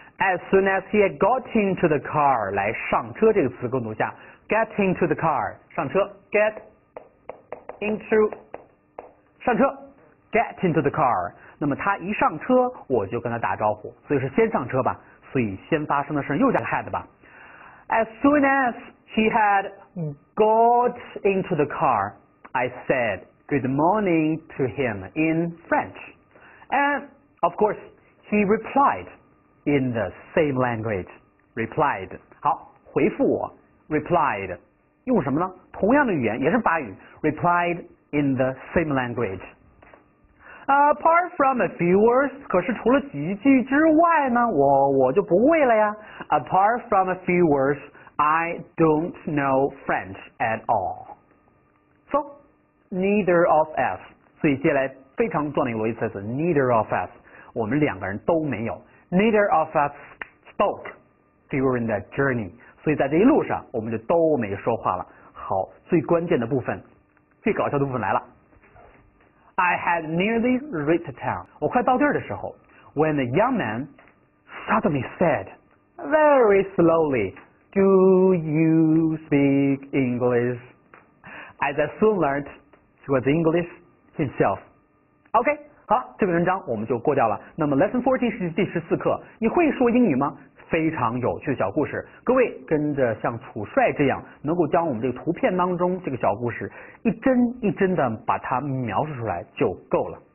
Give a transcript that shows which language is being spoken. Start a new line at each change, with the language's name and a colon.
English: As soon as he had got into the car,
Chinese: 来上车这个词跟读一下
English: ，get into the car， 上车 ，get into， 上车 ，get into the car。
Chinese: 那么他一上车，我就跟他打招呼，所以是先上车吧。所以先发生的事又叫 had 吧。
English: As soon as he had got into the car. I said good morning to him in French. And, of course, he replied in the same language.
Chinese: Replied. 好，回复我。Replied. 用什么呢？同样的语言，也是法语。Replied in the same language.
English: Apart from a few words,
Chinese: 可是除了几句之外呢，我就不会了呀。
English: Apart from a few words, I don't know French at all. Neither of us.
Chinese: 所以接下来非常重要的逻辑词 Neither of us. 我们两个人都没有
English: Neither of us spoke during the journey.
Chinese: 所以在这一路上我们就都没说话了。好，最关键的部分，最搞笑的部分来了。
English: I had nearly reached town.
Chinese: 我快到地儿的时候
English: When the young man suddenly said very slowly, Do you speak English? As I soon learnedHe was English himself.
Chinese: OK, 好了，这篇文章我们就过掉了。那么 Lesson 14是第14课，你会说英语吗？非常有趣的小故事。各位跟着像楚帅这样，能够将我们这个图片当中这个小故事一帧一帧的把它描述出来就够了。